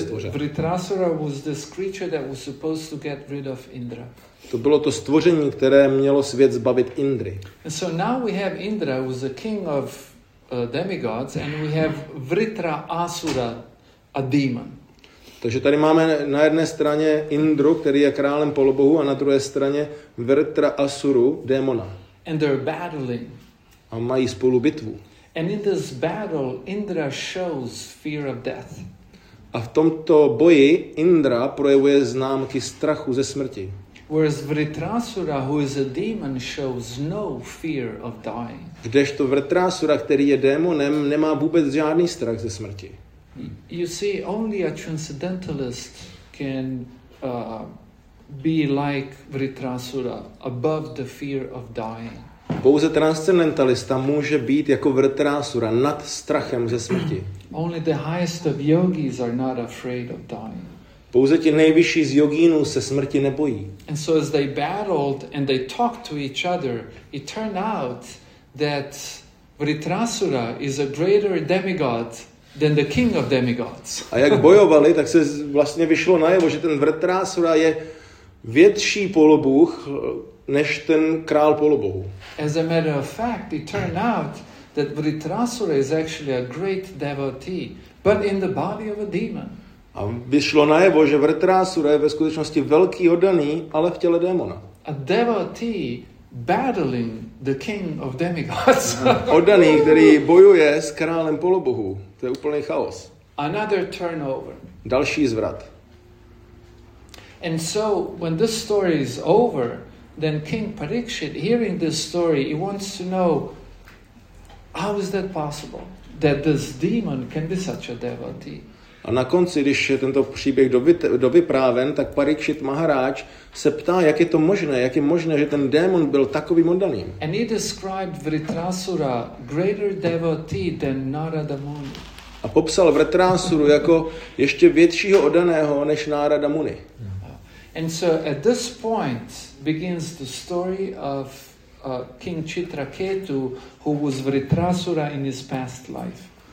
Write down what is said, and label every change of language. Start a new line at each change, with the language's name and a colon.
English: Vritrasura was this creature that was supposed to get rid of Indra.
Czech: To bylo to stvoření, které mělo svět zbavit Indry.
English: And so now we have Indra, who was the king of demigods, and we have Vritrasura, a demon.
Czech: Takže tady máme na jedné straně Indru, který je králem polobohu, a na druhé straně Vritra Asuru, démona.
English: And they're battling.
Czech: A mají spolu bitvu.
English: And in this battle, Indra shows fear of death.
Czech: A v tomto boji Indra projevuje známky strachu ze smrti.
English: Whereas Vritrasura, who is a demon, shows no fear of dying.
Czech: Kdežto Vritrasura, který je démonem, nemá vůbec žádný strach ze smrti.
English: You see, only a transcendentalist can be like Vritrasura, above the fear of dying.
Czech: Pouze transcendentalista může být jako Vritrasura, nad strachem ze smrti.
English: Only the highest of yogis are not afraid of dying.
Czech: Pouze ti nejvyšší z jogínů se smrti nebojí.
English: And so as they battled and they talked to each other, it turned out that Vritrasura is a greater demigod than the king of demigods.
Czech: A jak bojovali, tak se vlastně vyšlo najevo, že ten Vritrasura je větší polobůh než ten král polobohů.
English: As a matter of fact, it turned out that Vritrasura is actually a great devotee, but in the body of a demon.
Czech: A vyšlo najevo, že Vritrasura je ve skutečnosti velký oddaný, ale v těle démona.
English: A devotee battling the king of demigods.
Czech: Oddaný, který bojuje s králem polobohů. To je úplný chaos.
English: Another turnover.
Czech: Další zvrat.
English: And so when this story is over, then King Parikshit, hearing this story, he wants to know, how is that possible that this demon can be such a devotee?
Czech: A na konci, když je tento příběh dovypráven, tak Parikshit Maharaj se ptá, jak je možné, že ten démon byl takovým oddaným.
English: And he described Vritrasura greater devotee than Narada Muni.
Czech: A popsal Vritrasuru jako ještě většího oddaného než Narada Muni.
English: And so at this point begins the story of King Chitraketu, who was Vritrasura in his past life.